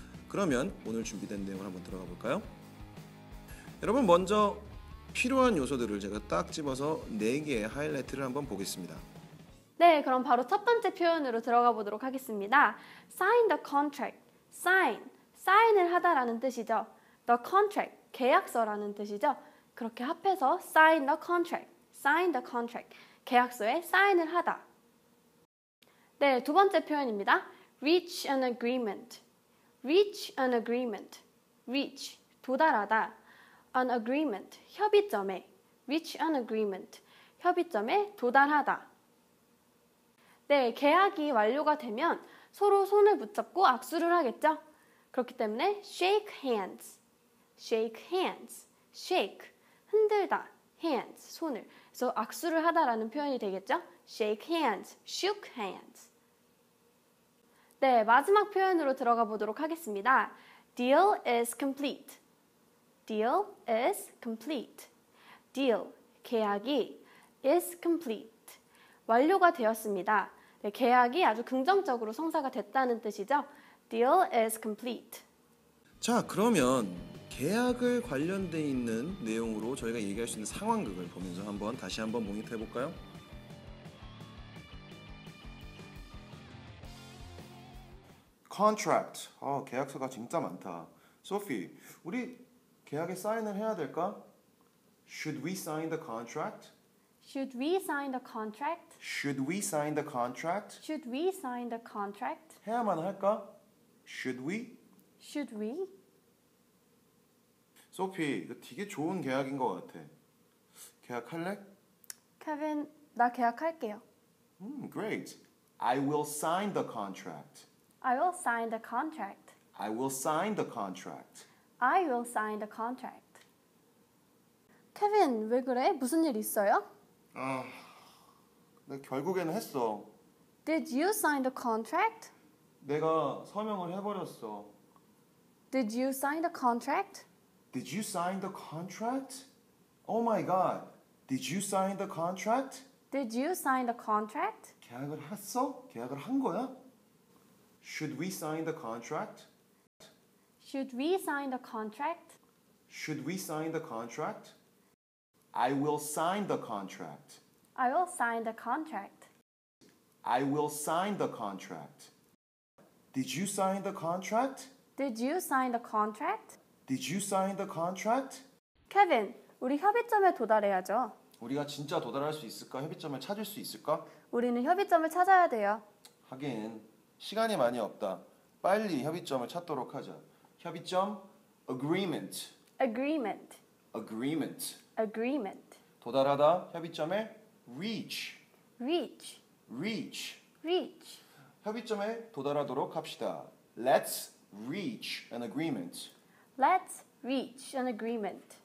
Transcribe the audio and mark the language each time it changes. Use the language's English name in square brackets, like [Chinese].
[Korean] 그러면 오늘 준비된 내용을 한번 들어가 볼까요? 여러분, 먼저 필요한 요소들을 제가 딱 집어서 네 개의 하이라이트를 한번 보겠습니다. 네, 그럼 바로 첫 번째 표현으로 들어가 보도록 하겠습니다. [English] Sign the contract. [Korean] Sign을 하다라는 뜻이죠. The contract, 계약서라는 뜻이죠. 그렇게 합해서 [English] sign the contract. Sign the contract. [Korean] 계약서에 sign을 하다. 네, 두 번째 표현입니다. [English] Reach an agreement. Reach an agreement. Reach, 도달하다. An agreement, 협의점에. Reach an agreement, [Korean] 협의점에 도달하다. 네, 계약이 완료가 되면 서로 손을 붙잡고 악수를 하겠죠? 그렇기 때문에 [English] shake hands, shake hands, shake, 흔들다, hands, 손을. [Korean] 그래서 악수를 하다라는 표현이 되겠죠? [English] shake hands, shook hands. [Korean] 네, 마지막 표현으로 들어가 보도록 하겠습니다. [English] Deal is complete. Deal is complete. Deal, 계약이 is complete. [Korean] 완료가 되었습니다. 네, 계약이 아주 긍정적으로 성사가 됐다는 뜻이죠. [English] Deal is complete. [Korean] 자, 그러면 계약을 관련되어 있는 내용으로 저희가 얘기할 수 있는 상황극을 보면서 한번 다시 한번 모니터 해볼까요? 컨트랙트. 아, 계약서가 진짜 많다. 소피, 우리 계약에 사인을 해야 될까? [English] Should we sign the contract? Should we sign the contract? Should we sign the contract? Should we sign the contract? [Korean] 해야만 할까? [English] Should we? Should we? [Korean] 소피, 이거 되게 좋은 계약인 것 같아. 계약할래? Kevin, 나 계약할게요. [English] Great. I will sign the contract. I will sign the contract. I will sign the contract. I will sign the contract. [Korean] Kevin, 왜 그래? 무슨 일 있어요? 아, 내가 결국에는 했어. [English] Did you sign the contract? [Korean] 내가 서명을 해버렸어. [English] Did you sign the contract? Did you sign the contract? Oh my god, did you sign the contract? Did you sign the contract? [Korean] 계약을 했어? 계약을 한 거야? [English] Should we sign the contract? Should we sign the contract? Should we sign the contract? I will sign the contract. I will sign the contract. I will sign the contract. Did you sign the contract? Did you sign the contract? Did you sign the contract? [Korean] Kevin, 우리 협의점에 도달해야죠. 우리가 진짜 도달할 수 있을까? 협의점을 찾을 수 있을까? 우리는 협의점을 찾아야 돼요. 하긴 시간이 많이 없다. 빨리 협의점을 찾도록 하자. 협의점? Agreement. [English] Agreement. Agreement. Agreement. [Korean] 도달하다, 협의점에 reach. [English] Reach. Reach. Reach. [Korean] 협의점에 도달하도록 합시다. [English] Let's reach an agreement. Let's reach an agreement.